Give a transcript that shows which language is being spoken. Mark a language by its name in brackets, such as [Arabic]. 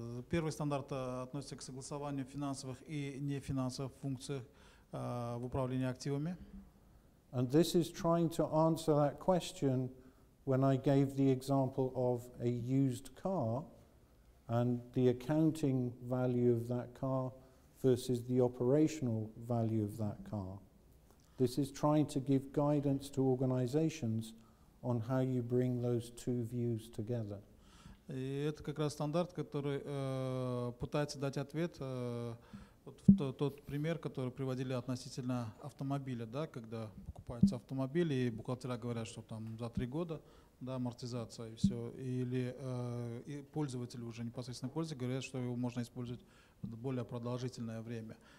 [Russian] Первый стандарт относится к согласованию финансовых и нефинансовых функций в управлении активами. [English] And this is trying to answer that question when I gave the example of a used car and the accounting value of that car versus the operational value of that car. This is trying to give guidance to organizations on how you bring those two views together. [Russian] И это как раз стандарт, который пытается дать ответ тот пример, который приводили относительно автомобиля, да, когда покупается автомобиль, и бухгалтера говорят, что там за три года, да, амортизация и все, или и пользователи уже непосредственно пользуются, говорят, что его можно использовать более продолжительное время.